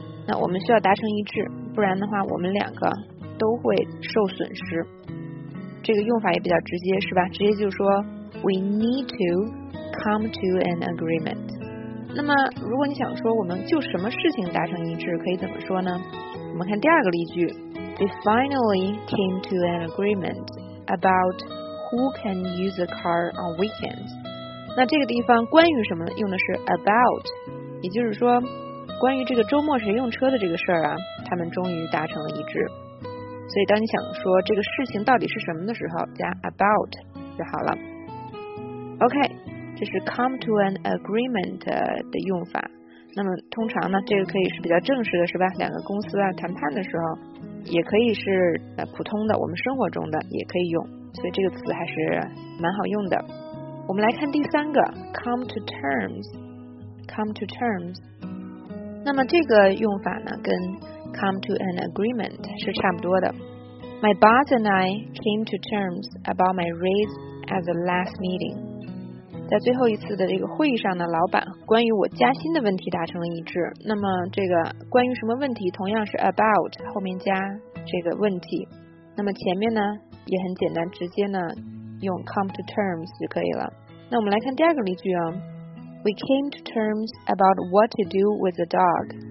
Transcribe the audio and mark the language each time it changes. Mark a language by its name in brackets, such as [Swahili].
[Chinese] 那我们需要达成一致，不然的话我们两个都会受损失。这个用法也比较直接，是吧？直接就说 [English] We need to come to an agreement。 [Chinese] 那么如果你想说我们就什么事情达成一致，可以怎么说呢？我们看第二个例句 [English] They finally came to an agreement about who can use a car on weekends。 [Chinese] 那这个地方关于什么用的是 about， 也就是说关于这个周末谁用车的这个事儿啊，他们终于达成了一致。所以当你想说这个事情到底是什么的时候，加 about 就好了。 [English] OK， [Chinese] 这是 [English] come to an agreement [Chinese] 的用法。那么通常呢，这个可以是比较正式的，是吧？两个公司啊谈判的时候，也可以是普通的，我们生活中的也可以用，所以这个词还是蛮好用的。我们来看第三个 [English] come to terms， come to terms。 [Chinese] 那么这个用法呢跟 [English] come to an agreement [Chinese] 是差不多的。 [English] My boss and I came to terms about my raise at the last meeting。 [Chinese] 在最后一次的这个会议上呢，老板关于我加薪的问题达成了一致。那么这个关于什么问题，同样是 about 后面加这个问题。那么前面呢也很简单，直接呢用 [English] come to terms [Chinese] 就可以了。那我们来看第二个例句啊 [English] ，We came to terms about what to do with the dog.